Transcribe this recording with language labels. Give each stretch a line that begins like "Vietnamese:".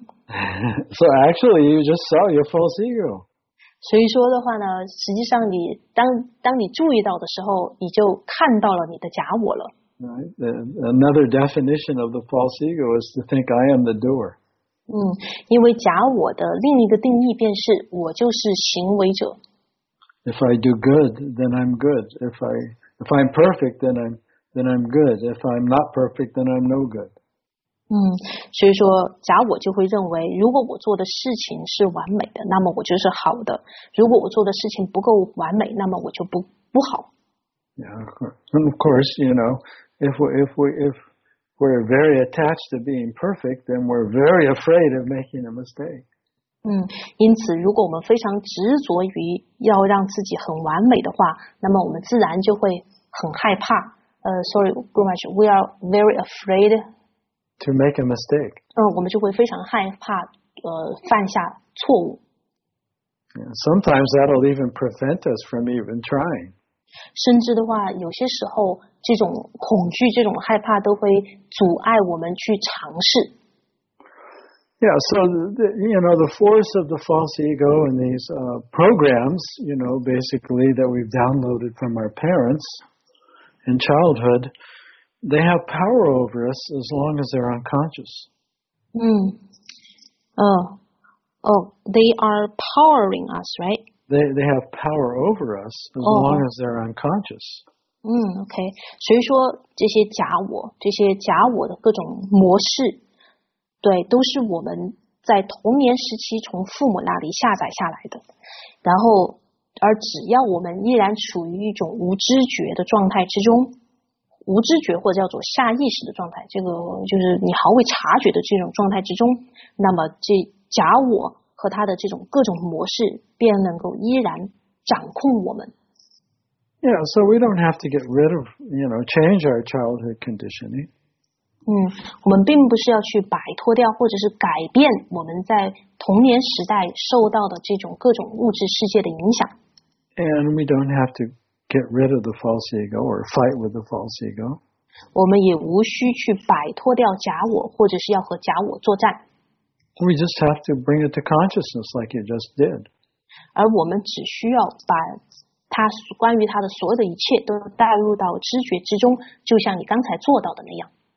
English: So actually, you just saw your false ego.
Chinese: 所以说的话呢，实际上你当你注意到的时候，你就看到了你的假我了。
English: Right. Another definition of the false ego is to think I am the doer.
Chinese: 嗯，因为假我的另一个定义便是我就是行为者。
English: If I do good, then I'm good. If I'm perfect, then I'm good. If I'm not perfect, then I'm no good.
Chinese: 嗯，所以说假我就会认为，如果我做的事情是完美的，那么我就是好的；如果我做的事情不够完美，那么我就不好。
English: Yeah, and of course, you know, if we're very attached to being perfect, then we're very afraid of making a mistake.
Chinese: 嗯，因此如果我们非常执着于要让自己很完美的话，那么我们自然就会很害怕。
English: Sorry, Guru Maharaj, we are very afraid to make a mistake.
Chinese: 嗯，我们就会非常害怕犯下错误。
English: Sometimes that'll even prevent us from even trying.
Chinese: 甚至的话，有些时候这种恐惧、这种害怕都会阻碍我们去尝试。
English: Yeah, so the force of the false ego and these programs, you know, basically that we've downloaded from our parents in childhood, they have power over us as long as they're unconscious. They are powering us, right? They have power over us as long as they're unconscious. Okay.
Chinese: 所以说这些假我的各种模式。对，都是我们在童年时期从父母那里下载下来的，然后，而只要我们依然处于一种无知觉的状态之中，无知觉或者叫做下意识的状态，这个就是你毫未察觉的这种状态之中，那么这假我和他的这种各种模式便能够依然掌控我们。
English: Yeah, so we don't have to get rid of, you know, change our childhood conditioning.
Chinese: 我们并不是要去摆脱掉或者是改变我们在童年时代受到的这种各种物质世界的影响。
English: And we don't have to get rid of the false ego or fight with the false ego.
Chinese: 我们也无需去摆脱掉假我或者是要和假我作战。
English: We just have to bring it to consciousness like you just did.
Chinese: 而我们只需要把它关于它的所有的一切都带入到知觉之中，就像你刚才做到的那样。